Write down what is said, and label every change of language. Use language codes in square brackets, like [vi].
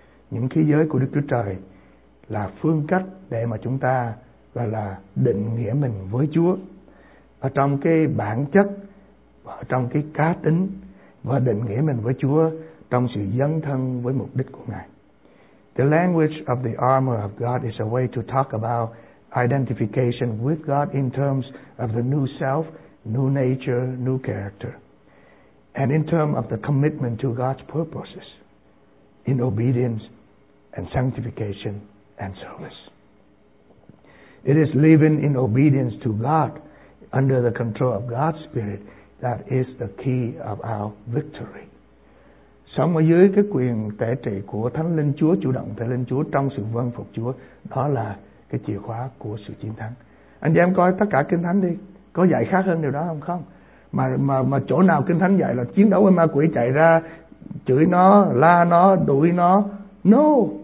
[vi] Những khí giới của Đức Chúa Trời là phương cách để mà chúng ta gọi là định nghĩa mình với Chúa. Ở trong cái bản chất, ở trong cái cá tính, và định nghĩa mình với Chúa trong sự dấn thân với mục đích của Ngài. [en] The language of the armor of God is a way to talk about identification with God in terms of the new self, new nature, new character, and in terms of the commitment to God's purposes in obedience and sanctification and service. It is living in obedience to God under the control of God's Spirit that is the key of our victory. [vi] Sống ở dưới cái quyền tể trị của Thánh Linh Chúa, chủ động Thánh Linh Chúa trong sự vâng phục Chúa, đó là cái chìa khóa của sự chiến thắng. Anh em coi tất cả Kinh Thánh đi, có dạy khác hơn điều đó không? Không. Mà chỗ nào Kinh Thánh dạy là chiến đấu với ma quỷ, chạy ra chửi nó, la nó, đuổi nó? No.